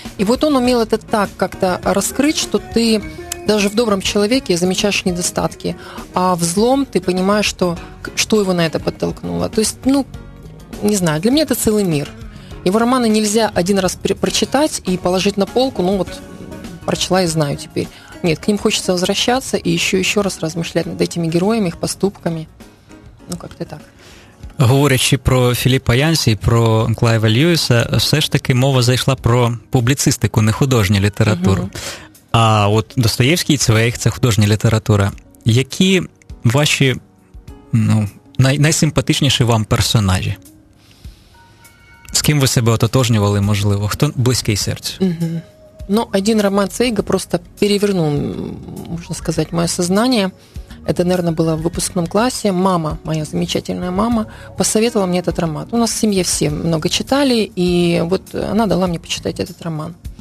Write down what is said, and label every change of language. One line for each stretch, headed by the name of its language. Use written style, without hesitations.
Russian: И вот он умел это так как-то раскрыть, что ты даже в добром человеке замечаешь недостатки, а в злом ты понимаешь, что его на это подтолкнуло. То есть, ну, не знаю, для меня это целый мир. Его романы нельзя один раз прочитать и положить на полку, ну вот прочла и знаю теперь. Нет, к ним хочется возвращаться и еще раз размышлять над этими героями, их поступками. Ну, как-то так.
Ukrainian: Говорячи про Філіпа Янсі і про Клайва Льюіса, все ж таки мова зайшла про публіцистику, не художню літературу. Uh-huh. А от Достоєвський і Цвейг – це художня література. Які ваші, ну, найсимпатичніші вам персонажі? З ким ви себе ототожнювали, можливо? Хто близький серцю? Угу. Uh-huh.
Russian: Но один роман Цвейга просто перевернул, можно сказать, мое сознание. Это, наверное, было в выпускном классе. Мама, моя замечательная мама, посоветовала мне этот роман. У нас в семье все много читали, и вот она дала мне почитать этот роман.